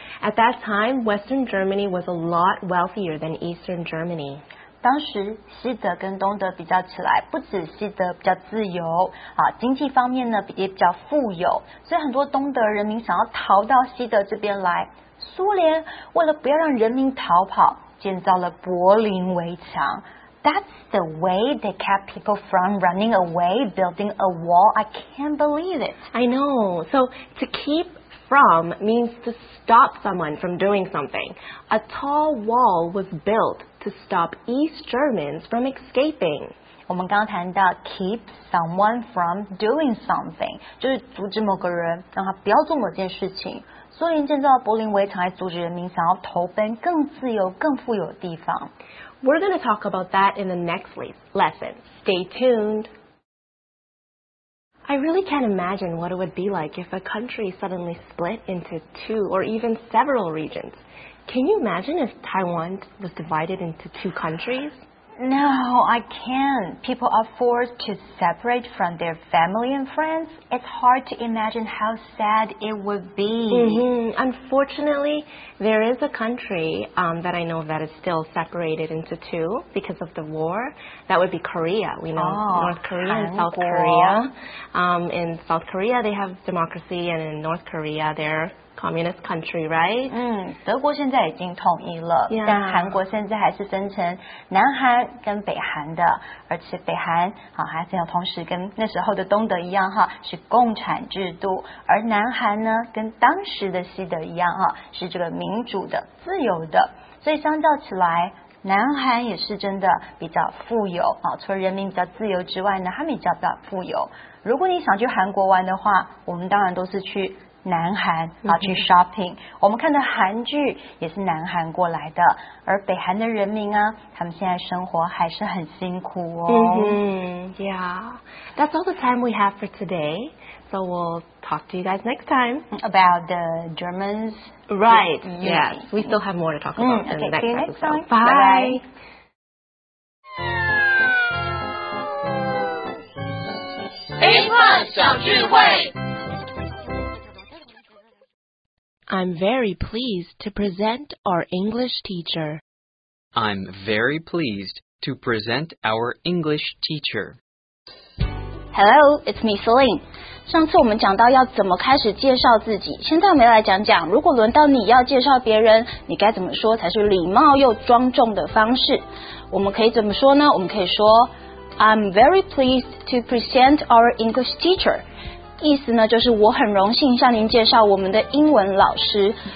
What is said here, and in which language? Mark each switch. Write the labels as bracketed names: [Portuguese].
[English] At that time, Western Germany was a lot wealthier than Eastern Germany. [Chinese] 当时西德跟东德比较起来，不止西德比较自由啊，经济方面呢也比较富有，所以很多东德人民想要逃到西德这边来。苏联为了不要让人民逃跑，建造了柏林围墙。 [English] That's the way they kept people from running away, building a wall. I can't believe it. I know. So to keep from means to stop someone from doing something. A tall wall was built to stop East Germans from escaping. 我们刚刚谈到 keep someone from doing something， 就是阻止某个人让他不要做某件事情。苏联建造柏林围墙来阻止人民想要投奔更自由、更富有的地方。 We're going to talk about that in the next lesson. Stay tuned. I really can't imagine what it would be like if a country suddenly split into two or even several regions. Can you imagine if Taiwan was divided into two countries? No, I can't. People are forced to separate from their family and friends. It's hard to imagine how sad it would be. Unfortunately, there is a country, that I know that is still separated into two because of the war. That would be Korea. We know North Korea and South Korea. In South Korea, they have democracy, and in North Korea, they're... Communist country, right? [Chinese] 德国现在已经统一了， [English] yeah. [Chinese] 但韩国现在还是分成南韩跟北韩的，而且北韩啊，还是要同时跟那时候的东德一样哈，是共产制度，而南韩呢，跟当时的西德一样哈，是这个民主的、自由的，所以相较起来。南韩也是真的比较富有啊，除了人民比较自由之外呢，他们也比较富有。如果你想去韩国玩的话，我们当然都是去南韩啊去 shopping。我们看的韩剧也是南韩过来的，而北韩的人民啊，他们现在生活还是很辛苦哦。 [English] Yeah, that's all the time we have for today. So we'll talk to you guys next time about the Germans. Right, yes. We still have more to talk about in the next episode. See you next time. Bye. I'm very pleased to present our English teacher. I'm very pleased to present our English teacher. Hello, it's me, Celine. [Chinese] 上次我们讲到要怎么开始介绍自己，现在我们要来讲讲，如果轮到你要介绍别人，你该怎么说才是礼貌又庄重的方式。我们可以怎么说呢？我们可以说 [English] I'm very pleased to present our English teacher， [Chinese] 意思呢就是我很荣幸向您介绍我们的英文老师。